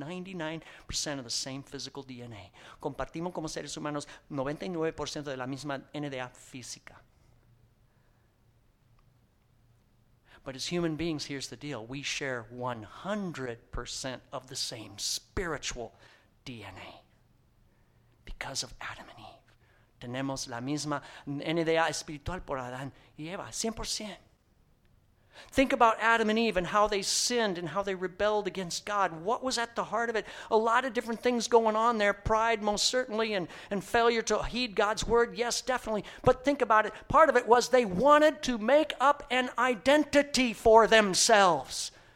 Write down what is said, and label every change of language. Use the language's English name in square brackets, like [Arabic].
[English] 99% of the same physical DNA. [Spanish] Compartimos como seres humanos 99% de la misma DNA física. [English] But as human beings, here's the deal. We share 100% of the same spiritual DNA because of Adam and Eve. [Spanish] Tenemos la misma NDA espiritual por Adán y Eva, 100%. [English] Think about Adam and Eve and how they sinned and how they rebelled against God. What was at the heart of it? A lot of different things going on there. Pride, most certainly, and failure to heed God's word. Yes, definitely. But think about it. Part of it was they wanted to make up an identity for themselves.